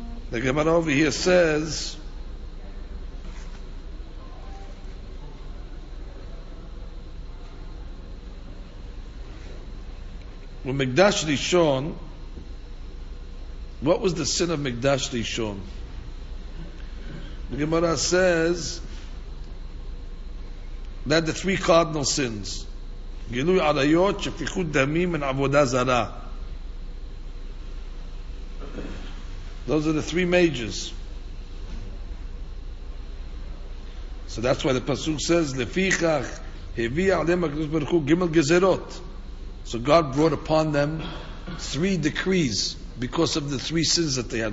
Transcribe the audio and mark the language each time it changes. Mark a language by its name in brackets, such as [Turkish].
[English] The Gemara over here says, when Mikdash Rishon, what was the sin of Mikdash Rishon? The Gemara says that the three cardinal sins. [Hebrew] גילוי עריות, שפיכות דמים מן עבודה זרה. [English] Those are the three majors. So that's why the pasuk says, "Lefichach hevi'a alem HaKadosh Baruch Hu gimel gezerot." So God brought upon them three decrees because of the three sins that they had.